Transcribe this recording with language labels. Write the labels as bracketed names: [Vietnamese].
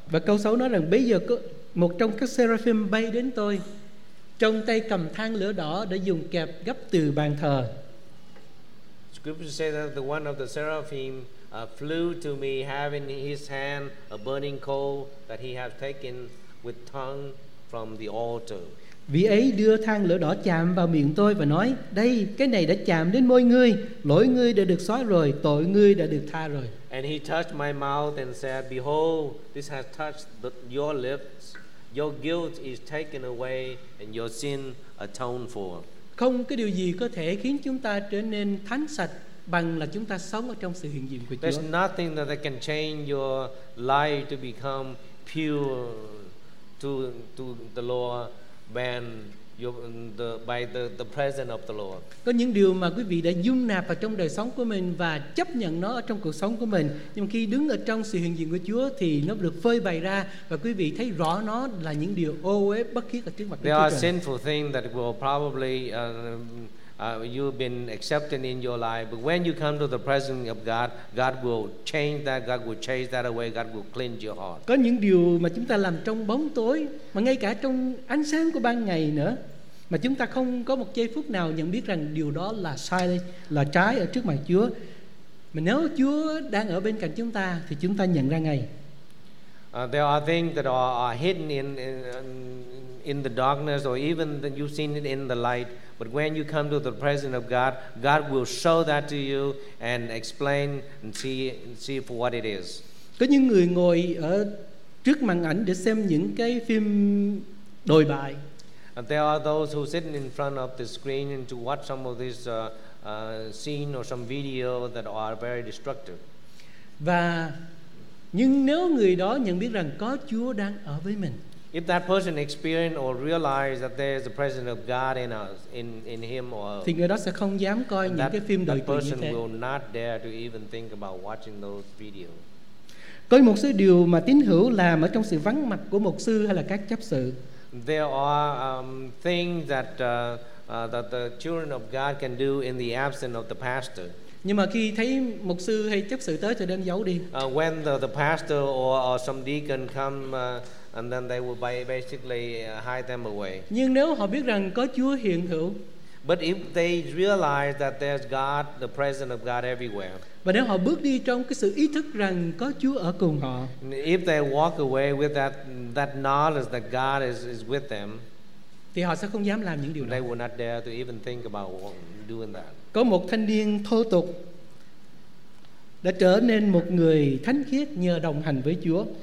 [Vietnamese] Và câu 6 nói rằng bây giờ có một trong các seraphim bay đến tôi, trong tay cầm than lửa đỏ để dùng kẹp gấp từ bàn thờ. [English] Scripture says that the one of the seraphim flew to me, having in his hand a burning coal that he had taken with tongue from the altar. [Vietnamese] Vị ấy đưa than lửa đỏ chạm vào miệng tôi và nói: "Đây, cái này đã chạm đến môi ngươi, lỗi ngươi đã được xóa rồi, tội ngươi đã được tha rồi." [English] And he touched my mouth and said, "Behold, this has touched your lips. Your guilt is taken away and your sin atoned for." [Vietnamese] Không có điều gì có thể khiến chúng ta trở nên thánh sạch bằng là chúng ta sống ở trong sự hiện diện của Chúa. [English] There's nothing that can change your life to become pure to the Lord when by the presence of the Lord. [Vietnamese] Có những điều mà quý vị đã dung nạp vào trong đời sống của mình và chấp nhận nó ở trong cuộc sống của mình, nhưng khi đứng ở trong sự hiện diện của Chúa thì nó được phơi bày ra và quý vị thấy rõ nó là những điều ô uế bất khiết ở trước mặt Đức Chúa Trời. [English] There are sinful things that will probably you've been accepting in your life, but when you come to the presence of God, God will change that, God will chase that away, God will cleanse your heart. [Vietnamese] Có những điều mà chúng ta làm trong bóng tối, mà ngay cả trong ánh sáng của ban ngày nữa, mà chúng ta không có một giây phút nào nhận biết rằng điều đó là sai, là trái ở trước mặt Chúa. Mà nếu Chúa đang ở bên cạnh chúng ta thì chúng ta nhận ra ngay. [English] There are things that are hidden in in the darkness or even that you've seen it in the light, but when you come to the presence of God, God will show that to you and explain and see for what it is. [Vietnamese] Có những người ngồi ở trước màn ảnh để xem những cái phim đồi bại. [English] And there are those who sit in front of the screen and to watch some of this scene or some video that are very destructive. [Vietnamese] Và nhưng nếu người đó nhận biết rằng có Chúa đang ở với mình. [English] If that person experience or realize that there is the presence of God in us, in him or [Vietnamese] thì người đó sẽ không dám coi những cái phim đồi bại như thế. [English] That person will not dare to even think about watching those videos. [Vietnamese] Có một số điều mà tín hữu làm ở trong sự vắng mặt của mục sư hay là các chấp sự. [English] There are things that that the children of God can do in the absence of the pastor. [Vietnamese] Nhưng mà khi thấy mục sư hay chấp sự tới thì đem giấu đi. [English] When the pastor or some deacon come and then they will basically hide them away. [Vietnamese] Nhưng nếu họ biết rằng có Chúa hiện hữu. [English] But if they realize that there's God, the presence of God everywhere. [Vietnamese] Và nếu họ bước đi trong cái sự ý thức rằng có Chúa ở cùng họ. [English] If they walk away with that knowledge that God is with them. [Vietnamese] Thì họ sẽ không dám làm những điều đó. [English] They will not dare to even think about doing that. [Vietnamese] Có một thanh niên thô tục đã trở nên một người thánh khiết nhờ đồng hành với Chúa.